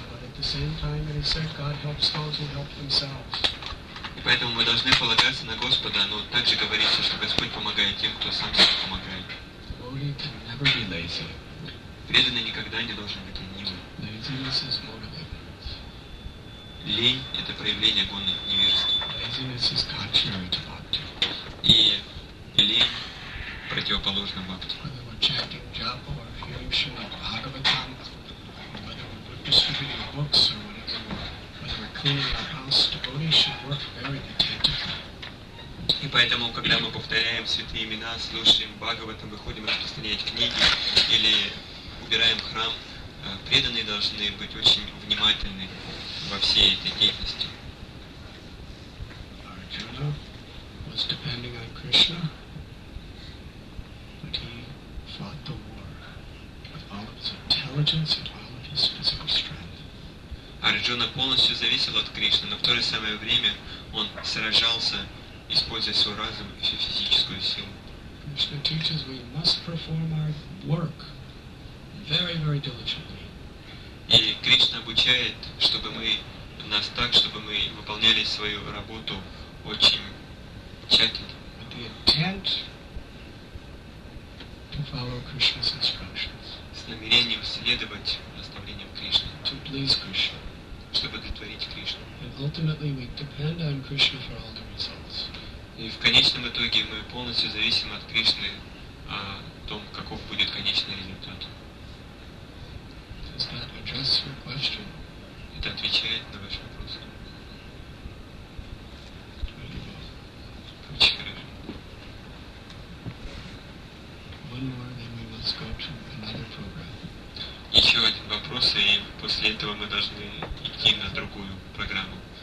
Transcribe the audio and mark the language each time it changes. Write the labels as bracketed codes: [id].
[en] at the same time that he said God helps those who help themselves. [ru] И поэтому мы должны полагаться на Господа, но также говорится, что Господь помогает тем, кто сам себе помогает. [en] Devotee can never be lazy. [ru] Преданный никогда не должен быть ленивым. [en] Laziness is malevolence. [ru] Лень — это проявление гуны невежества. [en] Laziness is contrary to bhakti. [ru] И лень противоположна бхакти. [en] Whether we're chanting japa or hearing Srimad Bhagavatam, whether we're distributing books or whatever, whether we're cleaning our house, devotees should work very attentively. [ru] И поэтому, когда мы повторяем святые имена, слушаем Бхагаватам, выходим распространять книги или убираем храм, преданные должны быть очень внимательны во всей этой деятельности. [en] Arjuna was depending on Krishna, but he fought the war with all of his intelligence and all of his physical strength. [ru] Арджуна полностью зависел от Кришны, но в то же самое время он сражался, используя свой разум и всю физическую силу. [en] Krishna teaches we must perform our work very, very diligently. [ru] И Кришна обучает, чтобы мы нас так, чтобы мы выполняли свою работу очень тщательно. [en] But the intent to follow Krishna's instructions. [ru] С намерением следовать наставлениям Кришны. [en] To please Krishna. [ru] Чтобы удовлетворить Кришну. [en] And ultimately we depend on Krishna for all the results. [ru] И в конечном итоге мы полностью зависим от Кришны о том, каков будет конечный результат. [en] Does that address your question? [ru] Это отвечает на ваш вопрос. Очень хорошо. [en] One more, then we must go to another program. [ru] Еще один вопрос, и после этого мы должны идти на другую программу.